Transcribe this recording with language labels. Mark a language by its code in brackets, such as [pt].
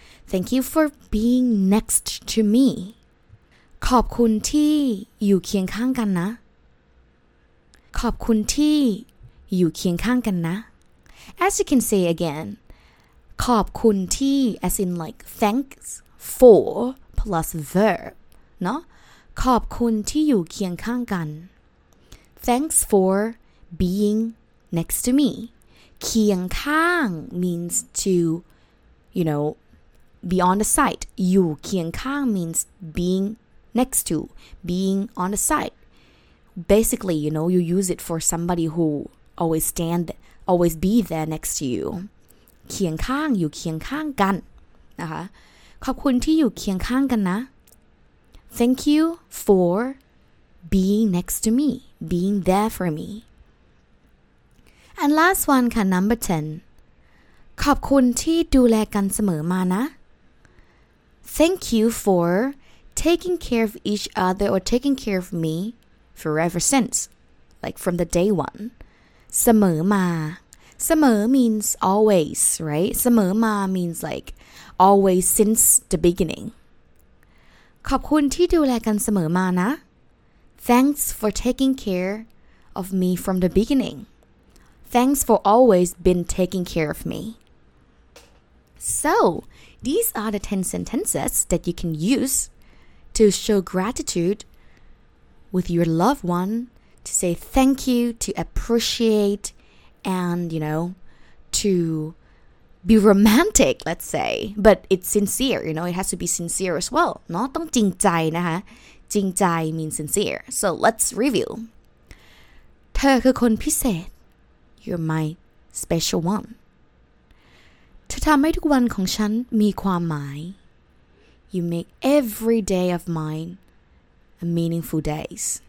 [en] Thank you for being next to me. [th] ขอบคุณที่อยู่เคียงข้างกันนะ ขอบคุณที่อยู่เคียงข้างกันนะ [en] As you can say again, ขอบคุณที่ as in like thanks for plus verb, no? [th] ขอบคุณที่อยู่เคียงข้างกัน [en] Thanks for being next to me. เคียงข้าง means to, you know, be on the side. อยู่เคียงข้าง means being next to, being on the side. Basically, you know, you use it for somebody who always stand, always be there next to you. [th] เคียงข้างอยู่เคียงข้างกันนะคะขอบคุณที่อยู่เคียงข้างกันนะ [en] Thank you for being next to me, being there for me. And last one ค่ะ number 10 [th] ขอบคุณที่ดูแลกันเสมอมานะ [en] Thank you for taking care of each other or taking care of me forever since, like from the day one. [th] เสมอมาเสมอ [en] means always, right? เสมอมา means like always since the beginning. [th] ขอบคุณที่ดูแลกันเสมอมานะ [en] Thanks for taking care of me from the beginning. Thanks for always been taking care of me. So, these are the 10 sentences that you can use to show gratitude with your loved one, to say thank you, to appreciate,And, you know, to be romantic, let's say. But it's sincere, you know, it has to be sincere as well. [th] เนาะต้องจริงใจนะคะ [en] จริงใจ means sincere. So let's review. [th] เธอคือคนพิเศษ [en] You're my special one. [th] เธอทำให้ทุกวันของฉันมีความหมาย [en] You make every day of mine a meaningful days.